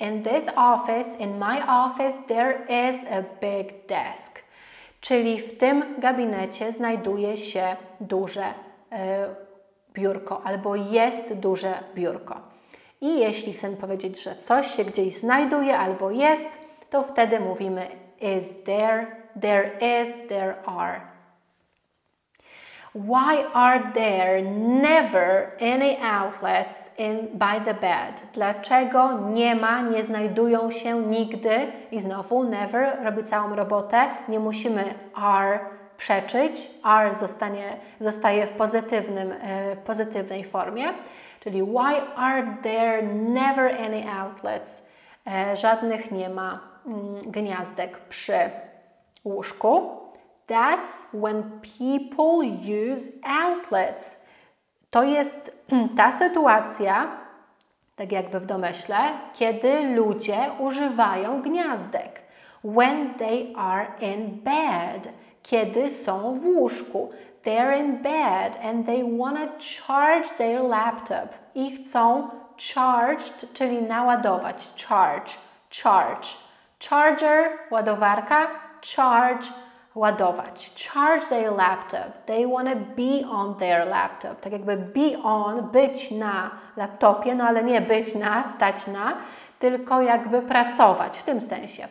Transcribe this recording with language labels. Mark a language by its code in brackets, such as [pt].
[en] In this office, in my office, there is a big desk. [pl] Czyli w tym gabinecie znajduje się duże biurko albo jest duże biurko. I jeśli chcemy powiedzieć, że coś się gdzieś znajduje albo jest, to wtedy mówimy is there, there is, there are. [en] Why are there never any outlets in by the bed? [pl] Dlaczego nie ma, nie znajdują się nigdy? I znowu never robi całą robotę. Nie musimy are przeczyć. Are zostaje w pozytywnej formie. [en] Czyli why are there never any outlets? [pl] Żadnych nie ma gniazdek przy łóżku. [en] That's when people use outlets. [pl] To jest ta sytuacja, tak jakby w domyśle, kiedy ludzie używają gniazdek. [en] When they are in bed. [pl] Kiedy są w łóżku. [en] They're in bed and they want to charge their laptop. [pl] I chcą charged, czyli naładować. [en] Charge, charge. Charger, ładowarka. Charge, ładować. Charge their laptop. They want to be on their laptop. [pl] Tak jakby be on, być na laptopie, no ale nie być na, stać na, tylko jakby pracować w tym sensie.